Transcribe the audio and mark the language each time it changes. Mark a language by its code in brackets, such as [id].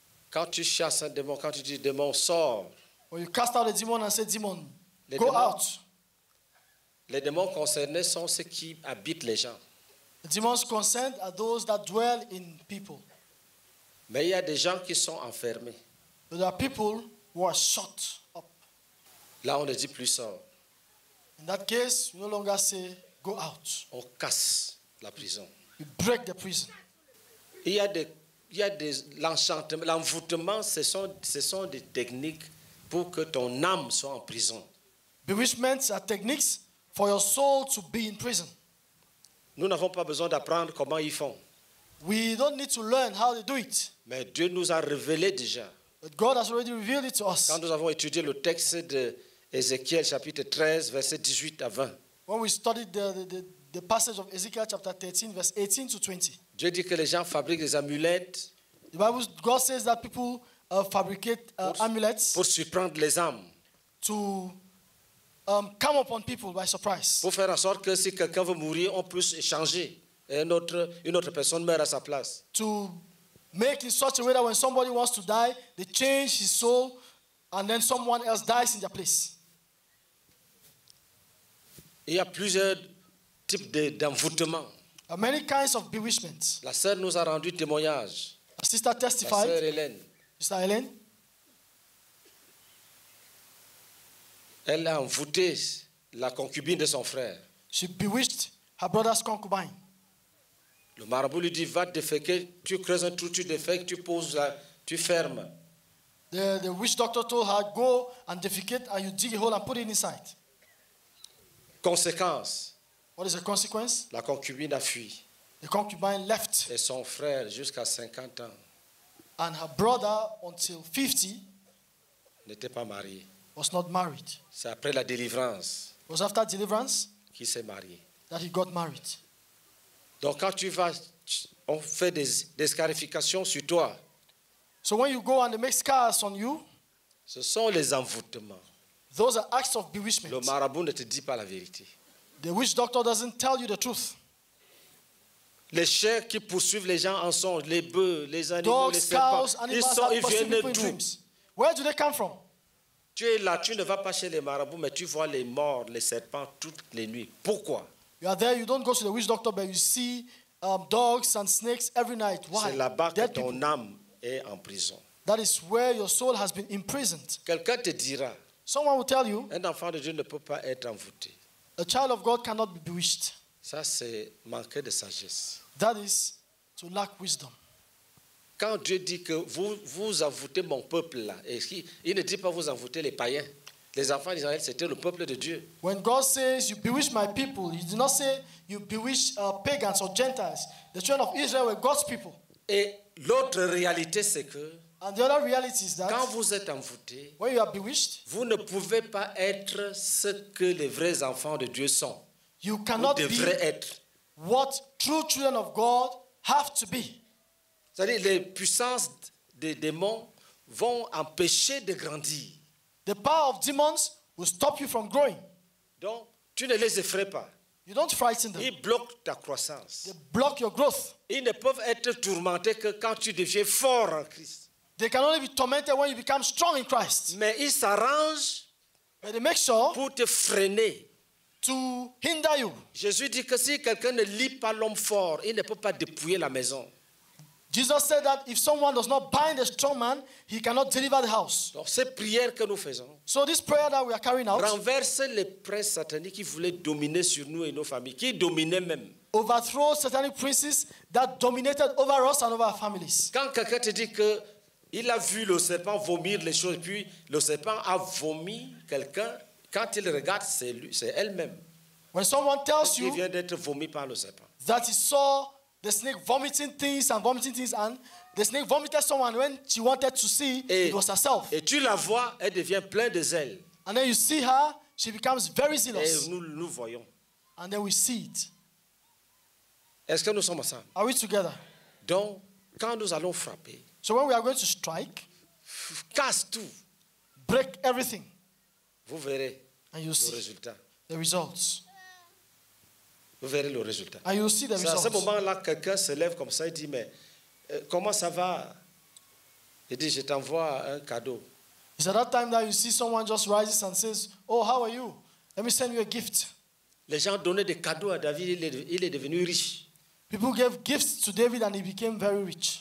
[fr] quand tu chasses un démon, quand tu dis démon, sors. [en] When you cast out a demon and say, demon, [fr] les [en] go démons, out. [fr] Les démons concernés sont ceux qui habitent les gens. [en] The demons concerned are those that dwell in people. [fr] Mais il y a des gens qui sont enfermés. [en] But there are people who are shut up. [fr] Là, on ne dit plus sort. [en] In that case, you no longer say, go out. [fr] On casse la prison. [en] You break the prison. [fr] Il y a des l'enchantement, l'envoûtement, ce sont des techniques pour que ton âme soit en prison. [en] Bewitchments are techniques for your soul to be in prison. [fr] Nous n'avons pas besoin d'apprendre comment ils font. [en] We don't need to learn how they do it. [fr] Mais Dieu nous a révélé déjà. [en] But God has already revealed it to us. [fr] Quand nous avons étudié le texte de Ézéchiel chapitre 13 verset 18 à 20. [en] When we studied the passage of Ezekiel chapter 13 verse 18 to 20. [fr] Dieu dit que les gens fabriquent des amulettes. [en] The Bible, God says that people fabricate amulets [fr] pour surprendre les âmes, [en] to come upon people by surprise, [fr] pour faire en sorte que si quelqu'un veut mourir, on puisse échanger et une autre personne meurt à sa place, [en] to make in such a way that when somebody wants to die, they change his soul and then someone else dies in their place. [fr] Il y a plusieurs types d'envoûtement. [en] Many kinds of bewitchments. [fr] La sœur nous a rendu témoignage. [en] A sister testified. [fr] La sœur Hélène. [en] Sister Hélène. [fr] Elle a envoûté la concubine de son frère. [en] She bewitched her brother's concubine. [fr] Le marabout lui dit, va déféquer, tu creuses un trou, tu déféques, tu poses, tu fermes. [en] The witch doctor told her, go and defecate and you dig a hole and put it inside. [fr] Conséquence. [en] What is the consequence? [fr] La concubine a fui. [en] The concubine left. [fr] Et son frère jusqu'à 50 ans. [en] And her brother until 50 [fr] n'était pas marié. [en] Was not married. [fr] C'est après la délivrance. [en] It was after deliverance [fr] qu'il s'est marié. [en] That he got married. [fr] Donc quand tu vas, on fait des scarifications sur toi. [en] So when you go and they make scars on you, [fr] ce sont les envoûtements. [en] Those are acts of bewitchment. [fr] Le marabout ne te dit pas la vérité. [en] The witch doctor doesn't tell you the truth. [fr] Les chiens qui poursuivent les gens en songe, les bœufs, les animaux, [en] dogs, [fr] les serpents, ils sont, ils viennent d'où? [en] Where do they come from? [fr] Tu es là, tu ne vas pas chez les marabouts, mais tu vois les morts, les serpents toutes les nuits. Pourquoi? [en] You are there, you don't go to the witch doctor, but you see dogs and snakes every night. Why? [fr] C'est là-bas que ton âme est en prison. [en] That is where your soul has been imprisoned. [fr] Quelqu'un te dira. [en] Someone will tell you. [fr] Un enfant de Dieu ne peut pas être envoûté. [en] A child of God cannot be bewitched. [fr] Ça, c'est manquer de sagesse. [en] That is to lack wisdom. [fr] Quand Dieu dit que vous envoûtez mon peuple là, il ne dit pas vous envoûtez les païens. Les enfants d'Israël, c'était le peuple de Dieu. [en] When God says you bewitch my people, he did not say you bewitch pagans or Gentiles. The children of Israel were God's people. [fr] Et l'autre réalité, c'est que [en] and the other reality is that [fr] quand vous êtes envoûté, [en] when you are bewitched, [fr] vous ne pouvez pas être ce que les vrais enfants de Dieu sont. [en] You cannot be [fr] être. [en] What true children of God have to be. [fr] C'est-à-dire les puissances des démons vont empêcher de grandir. [en] The power of demons will stop you from growing. [fr] Donc, tu ne les effraies pas. [en] You don't frighten them. [fr] Ils bloquent ta croissance. [en] They block your growth. [fr] Ils ne peuvent être tourmentés que quand tu deviens fort en Christ. [en] They can only be tormented when you become strong in Christ. [fr] Mais ils s'arrangent, [en] but they make sure [fr] pour te freiner. [en] To hinder you. [fr] Jésus dit que si quelqu'un ne lit pas l'homme fort, il ne peut pas dépouiller la maison. [en] Jesus said that if someone does not bind a strong man, he cannot deliver the house. [fr] Donc, ces prières que nous faisons, [en] so this prayer that we are carrying out [fr] renverse les princes sataniques qui voulaient dominer sur nous et nos familles, qui dominaient même. [en] Overthrow satanic princes that dominated over us and over our families. [fr] Quand quelqu'un te dit qu'il a vu le serpent vomir les choses, puis le serpent a vomi quelqu'un, quand il regarde, c'est lui, c'est elle-même. [en] When someone tells you, [fr] il vient d'être vomi par le serpent. [en] That he saw the snake vomiting things and the snake vomited someone when she wanted to see it was herself. [fr] Et tu la vois, elle devient pleine de zèle. [en] And then you see her, she becomes very zealous. [fr] Et nous voyons. [en] And then we see it. [fr] Est-ce que nous sommes ensemble? [en] Are we together? [fr] Donc, quand nous allons frapper, [en] so when we are going to strike, [fr] casse tout. [en] Break everything. [fr] Vous verrez [en] and you'll [fr] le [en] see [fr] résultat. [en] The results. [fr] Vous verrez le résultat. [en] And you'll see the [fr] c'est [en] results. [fr] À ce moment-là, quelqu'un se lève comme ça et dit, mais comment ça va? Il dit, je t'envoie un cadeau. [en] It's at that time that you see someone just rises and says, oh, how are you? Let me send you a gift. [fr] Les gens donnaient des cadeaux à David, il est devenu riche. [en] People gave gifts to David and he became very rich.